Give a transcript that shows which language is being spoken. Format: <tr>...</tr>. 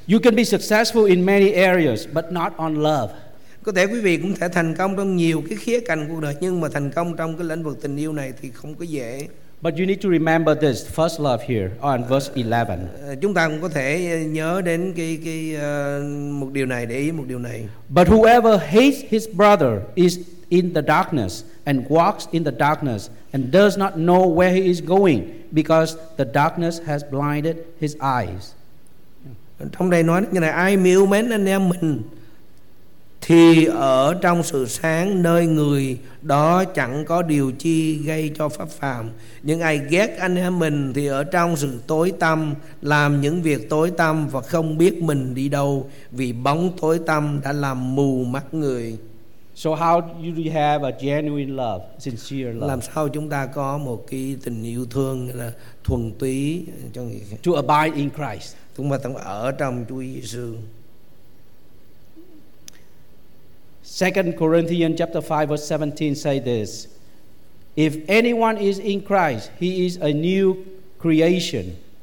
<en>You can be successful in many areas, but not on love.</en> <vi>Có thể quý vị cũng thể thành công trong nhiều cái khía cạnh cuộc đời, nhưng mà thành công trong cái lĩnh vực tình yêu này thì không có dễ.</vi> <en>But you need to remember this first love here on verse 11.</en> <vi>Chúng ta cũng có thể nhớ đến một điều này, để ý một điều này.</vi> <en>But whoever hates his brother is in the darkness and walks in the darkness and does not know where he is going because the darkness has blinded his eyes.</en> <vi>Trong đây nói như này, ai mỉu mến anh em mình thì ở trong sự sáng, nơi người đó chẳng có điều chi gây cho pháp phàm. Nhưng ai ghét anh em mình thì ở trong sự tối tăm, làm những việc tối tăm và không biết mình đi đâu, vì bóng tối tăm đã làm mù mắt người.</vi> <en>So how do you have a genuine love, sincere love?</en> <vi>Làm sao chúng ta có một cái tình yêu thương là thuần túy cho người?</vi> <en>To abide in Christ.</en> <vi>Chúng ta ở trong Chúa Giêsu.</vi> <en>2 Corinthians chapter 5 verse 17 say this: If anyone is in Christ, he is a new creation.</en>